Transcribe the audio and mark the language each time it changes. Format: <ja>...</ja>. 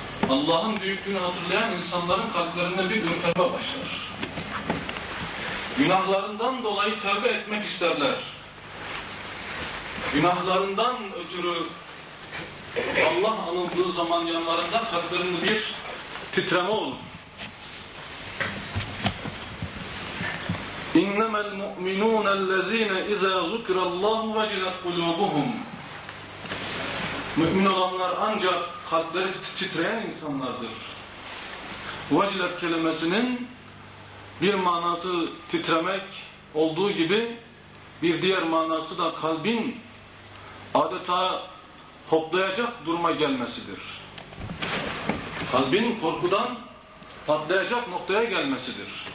<tr>Allah'ın büyüklüğünü hatırlayan insanların kalplerinde bir ürperme başlar. Günahlarından dolayı tövbe etmek isterler. Günahlarından ötürü Allah anıldığı zaman yanlarında kalplerinde bir titreme olur.</tr> <ar>اِنَّمَا الْمُؤْمِنُونَ الَّذ۪ينَ اِذَا ذُكْرَ اللّٰهُ وَجِلَتْ قُلُوبُهُمْ</ar> <tr>Mümin olanlar ancak kalpleri titreyen insanlardır. Vacilet kelimesinin bir manası titremek olduğu gibi bir diğer manası da kalbin adeta hoplayacak duruma gelmesidir. Kalbin korkudan patlayacak noktaya gelmesidir.</tr>